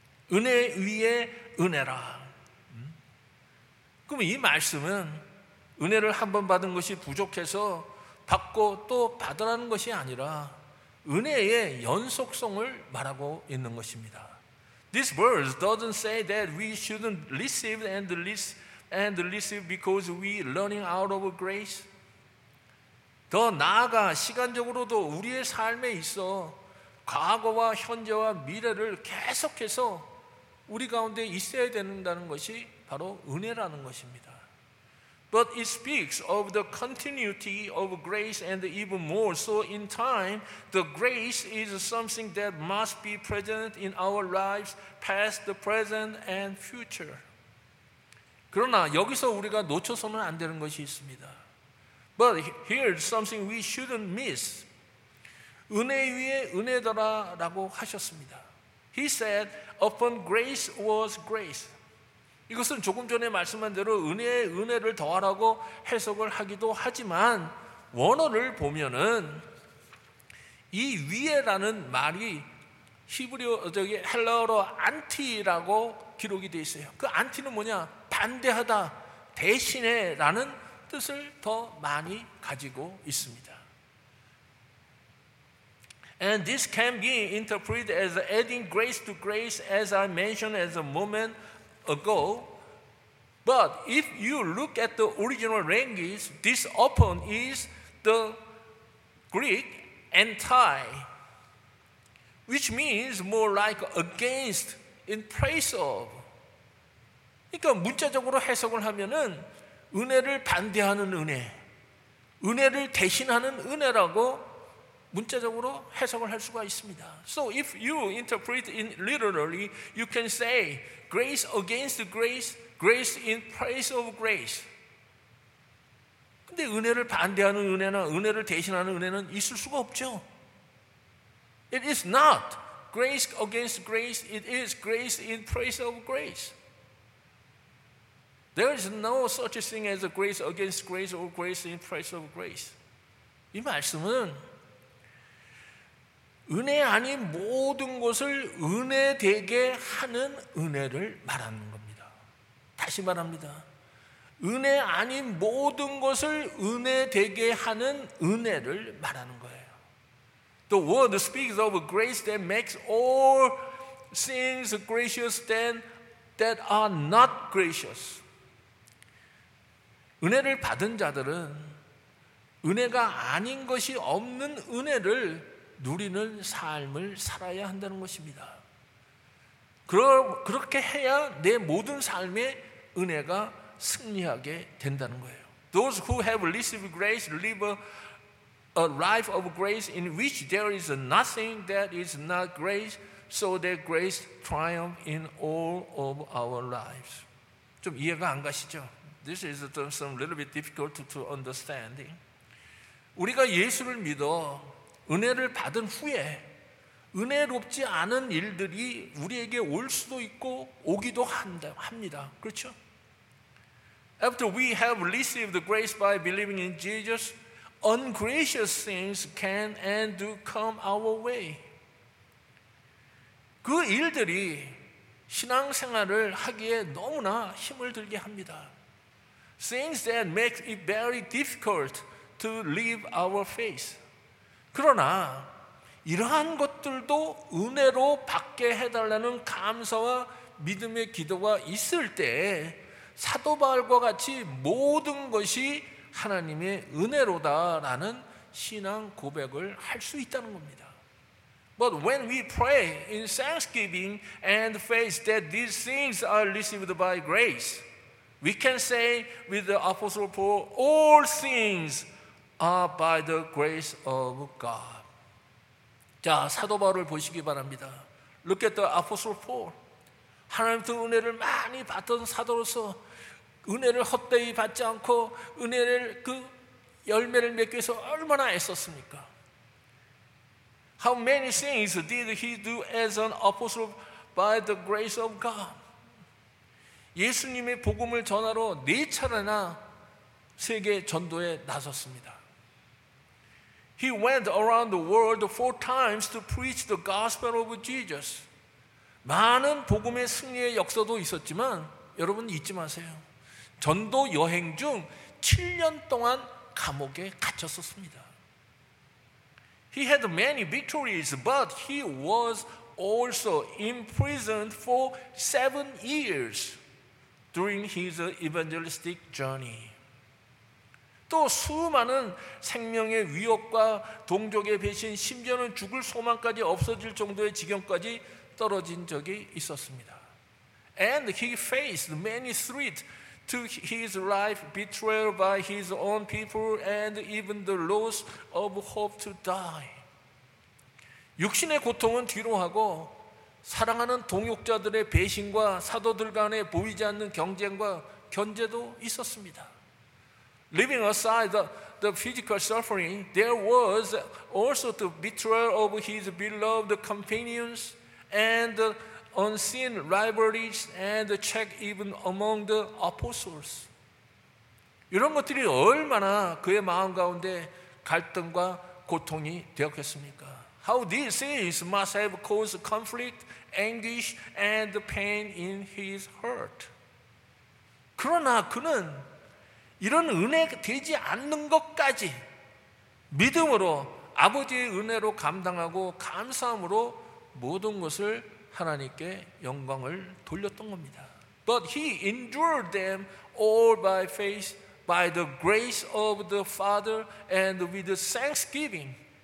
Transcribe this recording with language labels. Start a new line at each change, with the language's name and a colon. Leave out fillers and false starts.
Korean: 은혜 위에 은혜라. 그럼 이 말씀은 은혜를 한번 받은 것이 부족해서 받고 또 받으라는 것이 아니라 은혜의 연속성을 말하고 있는 것입니다.
English: This verse doesn't say that we shouldn't receive and receive because we running out of grace.
Korean: 더 나아가 시간적으로도 우리의 삶에 있어 과거와 현재와 미래를 계속해서 우리 가운데 있어야 된다는 것이 바로 은혜라는 것입니다.
English: But it speaks of the continuity of grace and even more so in time. The grace is something that must be present in our lives, past, present, and future.
Korean: 그러나 여기서 우리가 놓쳐서는 안 되는 것이 있습니다.
English: But here's something we shouldn't miss.
Korean: 은혜 위에 은혜더라라고 하셨습니다.
English: He said, upon grace was grace.
Korean: 이것은 조금 전에 말씀한 대로 은혜에 은혜를 더하라고 해석을 하기도 하지만 원어를 보면은 이 위에라는 말이 헬라어로 안티라고 기록이 되어 있어요. 그 안티는 뭐냐? 반대하다, 대신에 라는 뜻을 더 많이 가지고 있습니다.
English: And this can be interpreted as adding grace to grace as I mentioned as a moment ago. But if you look at the original language, this upon is the Greek anti, which means more like against in place of.
Korean: 그러니까 문자적으로 해석을 하면은 은혜를 반대하는 은혜, 은혜를 대신하는 은혜라고 문자적으로 해석을 할 수가 있습니다.
English: So if you interpret it literally, you can say grace against grace, grace in place of grace.
Korean: 근데 은혜를 반대하는 은혜나 은혜를 대신하는 은혜는 있을 수가 없죠.
English: It is not grace against grace, it is grace in place of grace. There is no such a thing as a grace against grace or grace in place of grace.
Korean: 이 말씀은 은혜 아닌 모든 것을 은혜 되게 하는 은혜를 말하는 겁니다. 다시 말합니다. 은혜 아닌 모든 것을 은혜 되게 하는 은혜를 말하는 거예요.
English: The word speaks of a grace that makes all things gracious that are not gracious.
Korean: 은혜를 받은 자들은 은혜가 아닌 것이 없는 은혜를 누리는 삶을 살아야 한다는 것입니다. 그렇게 해야 내 모든 삶의 은혜가 승리하게 된다는 거예요.
English: Those who have received grace live a life of grace in which there is nothing that is not grace, so that grace triumph in all of our lives.
Korean: 좀 이해가 안 가시죠?
English: This is some little bit difficult to understand.
Korean: 우리가 예수를 믿어 은혜를 받은 후에 은혜롭지 않은 일들이 우리에게 올 수도 있고 오기도 합니다. 그렇죠?
English: After we have received grace by believing in Jesus, ungracious things can and do come our way.
Korean: 그 일들이 신앙생활을 하기에 너무나 힘을 들게 합니다.
English: Things that make it very difficult to live our faith.
Korean: 그러나 이러한 것들도 은혜로 받게 해달라는 감사와 믿음의 기도가 있을 때 사도 바울과 같이 모든 것이 하나님의 은혜로다라는 신앙 고백을 할 수 있다는 겁니다.
English: But when we pray in thanksgiving and faith that these things are received by grace, we can say with the Apostle Paul, all things are by the grace of God.
Korean: 자, 사도 바울을 보시기 바랍니다.
English: Look at the Apostle Paul.
Korean: 하나님께 은혜를 많이 받던 사도로서 은혜를 헛되이 받지 않고 은혜를 그 열매를 맺기 위해서 얼마나 애썼습니까?
English: How many things did he do as an apostle by the grace of God?
Korean: 예수님의 복음을 전하러 네 차례나 세계 전도에 나섰습니다.
English: He went around the world four times to preach the gospel of Jesus.
Korean: 많은 복음의 승리의 역사도 있었지만 여러분 잊지 마세요. 전도 여행 중 7년 동안 감옥에 갇혔었습니다.
English: He had many victories, but he was also imprisoned for 7 years during his evangelistic journey.
Korean: 또 수많은 생명의 위협과 동족의 배신, 심지어는 죽을 소망까지 없어질 정도의 지경까지 떨어진 적이 있었습니다.
English: And he faced many threats to his life, betrayal by his own people, and even the loss of hope to die.
Korean: 육신의 고통은 뒤로 하고 사랑하는 동역자들의 배신과 사도들 간에 보이지 않는 경쟁과 견제도 있었습니다.
English: Leaving aside the physical suffering, there was also the betrayal of his beloved companions and unseen rivalries and check even among the apostles.
Korean: 이런 것들이 얼마나 그의 마음 가운데 갈등과 고통이 되었겠습니까?
English: How these things must have caused conflict, anguish, and pain in his heart.
Korean: 그러나 그는 이런 은혜 되지 않는 것까지 믿음으로 아버지의 은혜로 감당하고 감사함으로 모든 것을 하나님께 영광을 돌렸던 겁니다.
English: But he endured them all by faith, by the grace of the Father, and with thanksgiving.